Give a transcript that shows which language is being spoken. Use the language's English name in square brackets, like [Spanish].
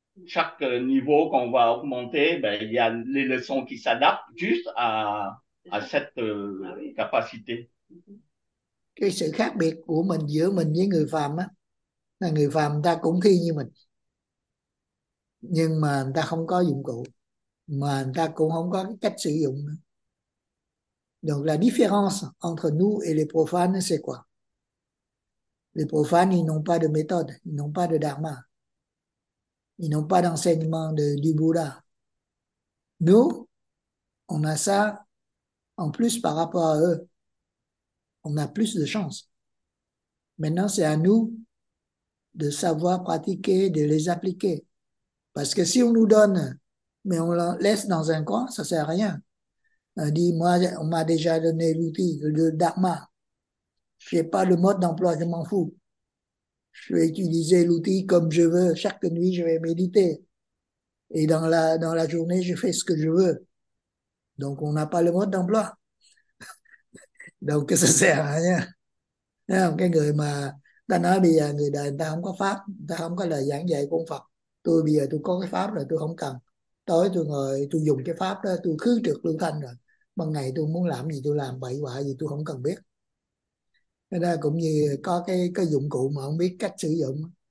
[French] Chaque niveau qu'on va augmenter, ben, il y a les leçons qui s'adaptent juste à cette capacité. [Vietnamese] Cái sự khác biệt của mình giữa mình với người phàm á là người phàm ta cũng thi như mình nhưng mà người ta không có dụng cụ mà người ta cũng không có cách sử dụng nữa. [French] Donc la différence entre nous et les profanes c'est quoi? Les profanes ils n'ont pas de méthode, ils n'ont pas de dharma, ils n'ont pas d'enseignement du Bouddha. Nous on a ça en plus par rapport à eux. On a plus de chance. Maintenant, c'est à nous de savoir pratiquer, de les appliquer. Parce que si on nous donne, mais on la laisse dans un coin, ça sert à rien. On dit, moi, on m'a déjà donné l'outil, le dharma. Je n'ai pas le mode d'emploi, je m'en fous. Je vais utiliser l'outil comme je veux. Chaque nuit, je vais méditer. Et dans la journée, je fais ce que je veux. Donc, on n'a pas le mode d'emploi. [Vietnamese] Đâu cái sẽ à nha. Không? Cái người mà ta nói bây giờ người đời người ta không có pháp, người ta không có lời giảng dạy của ông Phật. Tôi bây giờ tôi có cái pháp rồi, tôi không cần. Tối tôi ngồi tôi dùng cái pháp đó, tôi khứ trực lưu thanh rồi. Ban ngày tôi muốn làm gì tôi làm, bậy bạ gì tôi không cần biết. Cái đó cũng như có cái dụng cụ mà không biết cách sử dụng.